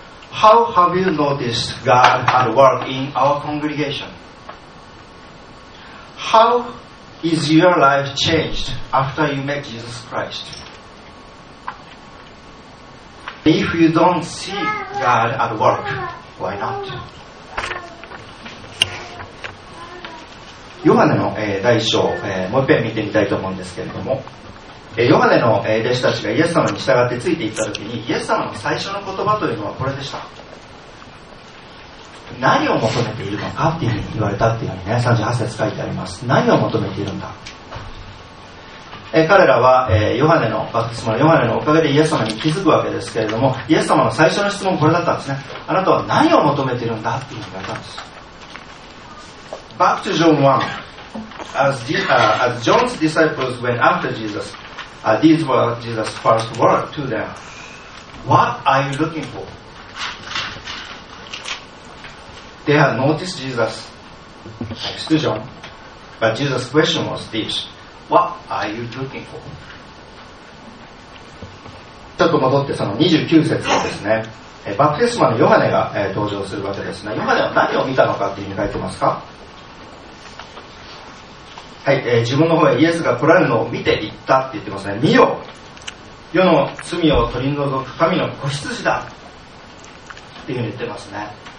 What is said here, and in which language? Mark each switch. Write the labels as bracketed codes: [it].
[en] How have you noticed God at work in our congregation? How is your life changed after you met Jesus Christ? If you don't see God at work, why not? [ja] ヨハネの第1章、もう一遍見てみたいと思うんですけれども、ヨハネの弟子たちがイエス様に従ってついていったときに、イエス様の最初の言葉というのはこれでした。何を求めているのかっていうふうに言われたっていうふうにね、38節書いてあります。何を求めているんだ。彼らは、ヨハネのバクスマのヨハネのおかげでイエス様に気づくわけですけれども、イエス様の最初の質問これだったんですね。あなたは何を求めているんだっていうふうに言われたんです。 [en] Back to John 1, as John's disciples went after Jesus, these were Jesus' first words to them. What are you looking for? They had noticed Jesus next to John, but Jesus' question was this, what are you looking for? [ja] ちょっと戻ってその29節ですね。バプテスマのヨハネが登場するわけですね。ヨハネは何を見たのかっていうふうに書いてますか？はい、自分の方へイエスが来られるのを見ていったって言ってますね。見よ、世の罪を取り除く神の子羊だっていうふうに言ってますね。